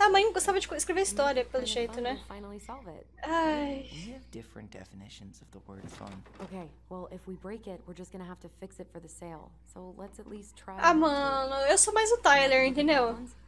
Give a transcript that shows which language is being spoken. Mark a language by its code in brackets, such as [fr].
[pt] A mãe gostava de escrever história, pelo jeito, né? [en] Finally solve it. Ai. We have different definitions of the word fun. Okay, well, if we break it, we're just gonna have to fix it for the sale. So let's at least try. [pt] Ah, mano, eu sou mais o Tyler, entendeu?